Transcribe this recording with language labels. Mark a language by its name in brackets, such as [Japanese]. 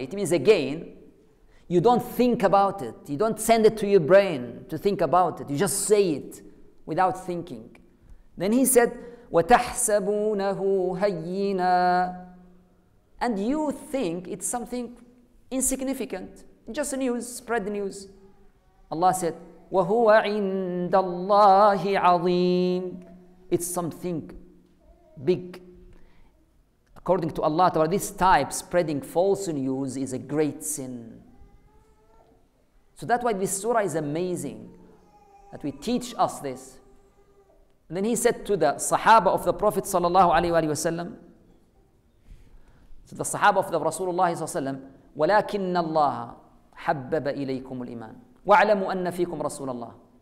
[English] It means again, you don't think about it. You don't send it to your brain to think about it. You just say it without thinking. Then he said, [Arabic] وَتَحْسَبُونَهُ هَيِّنًا. [English] And you think it's something insignificant. Just news, spread the news. Allah said, [Arabic] وَهُوَ عِنْدَ اللَّهِ عَظِيمٌ. [English] It's something big. According to Allah, this type, spreading false news, is a great sin. So that's why this surah is amazing, that we teach us this. And then he said to the sahaba of the Prophet sallallahu alaihi wasallam, to the sahaba of the Rasulullah sallallahu alaihi wasallam, [Arabic] وَلَكِنَّ اللَّهَ حَبَّبَ إِلَيْكُمُ الْإِيمَانِ وَعْلَمُوا أَنَّ فِيكُمْ رَسُولَ اللَّهِ.